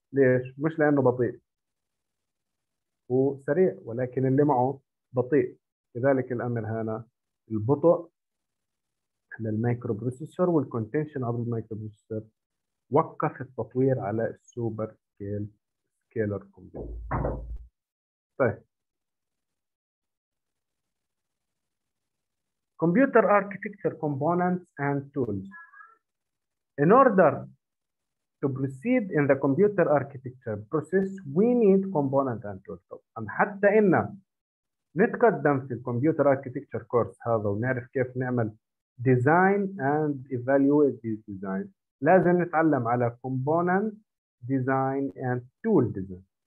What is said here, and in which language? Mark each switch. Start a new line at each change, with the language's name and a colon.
Arabic: ليش؟ مش لانه بطيء، هو سريع ولكن اللي معه بطيء. كذلك الامر هنا البطء للمايكرو بروسيسور والكونتنشن عبر المايكرو بروسيسور وقف التطوير على السوبر سكيل سكيلر كومبيوتر. طيب
English: Computer architecture components and tools in order to proceed in the computer architecture process we need component and tool.
Arabic: حتى ان نتقدم في الكمبيوتر اركيتكتشر كورس هذا ونعرف كيف نعمل
English: design and evaluate these designs
Arabic: لازم نتعلم على
English: component design and tool design.